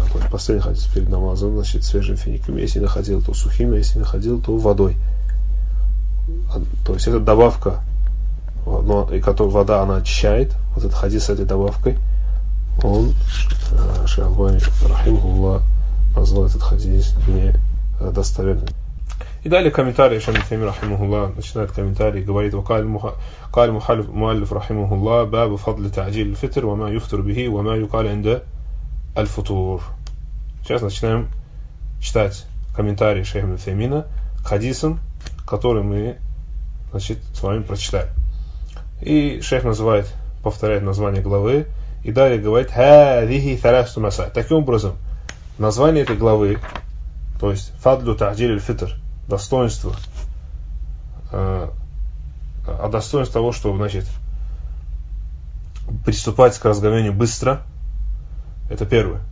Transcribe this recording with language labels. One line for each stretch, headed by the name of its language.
Russian: Последний хадис перед намазом, значит, свежим финиками. Если находил, то сухими, если находил, то водой. То есть это добавка но и которую вода она очищает, вот этот хадис с этой добавкой, он Шалбани Рахимхуллах назвал этот хадис недостоверным. И далее комментарий Шейх Ат-Таймии Рахимахуллах начинает комментарий, говорит:
Arabic: قال المؤلف رحمه الله باب فضل تعجيل الفطر وما يفطر به وما يقال عند الفطور.
Russian: Сейчас начинаем читать комментарий Шейха Ат-Таймии к хадисам, который мы, значит, с вами прочитали. И шейх называет, повторяет название главы, и далее говорит:
Arabic: هذه ثلاث مسائل.
Russian: Таким образом, название этой главы, то есть
Arabic: فضل تعجيل الفطر,
Russian: достоинство, а достоинство того, что, значит, приступать к разговению быстро, это первое.